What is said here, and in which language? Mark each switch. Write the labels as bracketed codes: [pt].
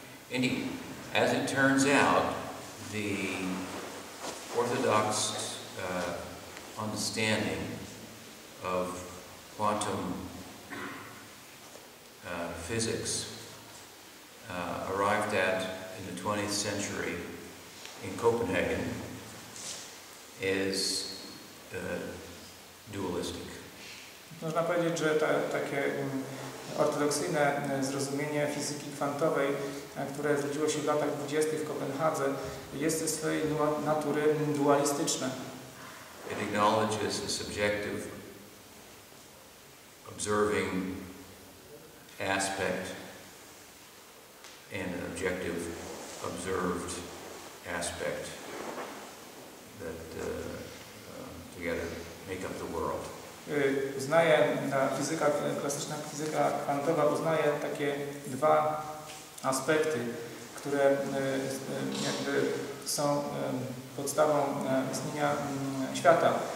[en] Indeed, as it turns out, the orthodox understanding of quantum physics arrived at in the 20th century in Copenhagen is dualistic. [pl] Można powiedzieć, że takie ortodoksyjne zrozumienie fizyki kwantowej, które zrodziło się w latach 20. w Kopenhadze, jest ze swojej natury dualistyczne. [en] It acknowledges a subjective observing aspect and an objective observed aspect that together make up the world. [pl] Uznaje ta fizyka klasyczna, fizyka kwantowa uznaje takie dwa aspekty, które jakby są podstawą istnienia świata.